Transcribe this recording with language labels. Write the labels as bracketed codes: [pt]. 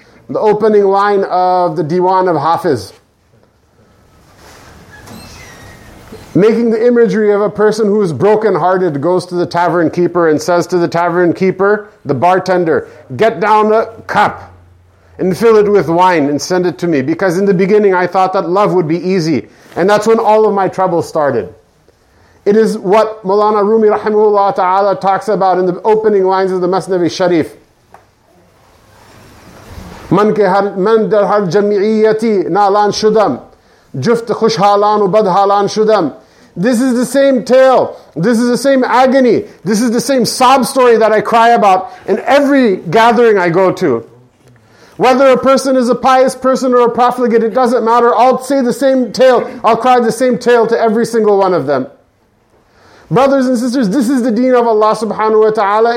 [en] The opening line of the Diwan of Hafiz, making the imagery of a person who is brokenhearted, goes to the tavern keeper and says to the tavern keeper, the bartender, get down a cup and fill it with wine and send it to me, because in the beginning I thought that love would be easy, and that's when all of my troubles started. It is what Mawlana Rumi rahimahullah ta'ala talks about in the opening lines of the Masnavi Sharif, [fa] من در هر جمعیتی نالان شدم جفت خوشحالان و بدحالان شدم. [en] This is the same tale. This is the same agony. This is the same sob story that I cry about in every gathering I go to. Whether a person is a pious person or a profligate, it doesn't matter. I'll say the same tale. I'll cry the same tale to every single one of them. Brothers and sisters, this is the deen of Allah subhanahu wa ta'ala.